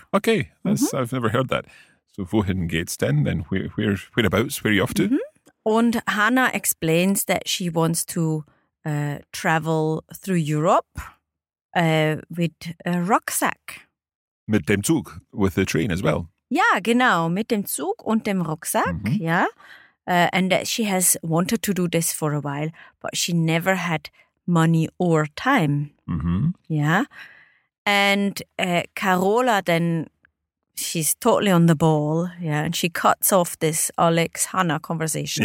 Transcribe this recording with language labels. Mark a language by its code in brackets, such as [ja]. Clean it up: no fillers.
[en] Okay, I've never heard that. [de] So wohin geht's denn? [en] Then whereabouts, where are you off to? Mm-hmm. And Hannah explains that she wants to travel through Europe with a rucksack. [de] Mit dem Zug, [en] with the train as well. [de] Ja, genau, mit dem Zug und dem Rucksack, mm-hmm. ja. [en] And she has wanted to do this for a while, but she never had money or time. Mm-hmm. Yeah. And Carola then, she's totally on the ball, yeah, and she cuts off this Alex-Hanna conversation.